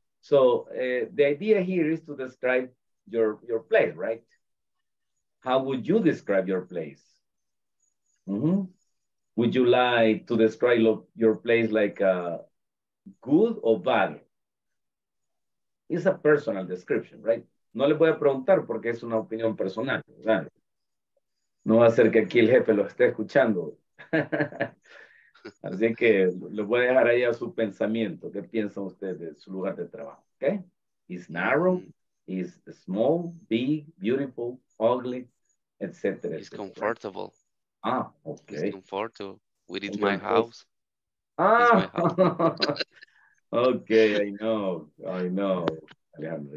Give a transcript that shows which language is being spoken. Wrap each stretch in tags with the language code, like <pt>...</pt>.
<en>So the idea here is to describe your place, right? How would you describe your place? Mm-hmm. Would you like to describe your place like good or bad? It's a personal description, right?</en> <es>No le voy a preguntar porque es una opinión personal, ¿verdad? No va a ser que aquí el jefe lo esté escuchando. Así que le voy a dejar ahí a su pensamiento. ¿Qué piensan ustedes de su lugar de trabajo?</es> <en>¿Okay? It's narrow, it's small, big, beautiful, ugly, etc. It's comfortable. Ah, okay. It's comfortable. With it, my house. Ah! Okay, I know, Alejandro.</en>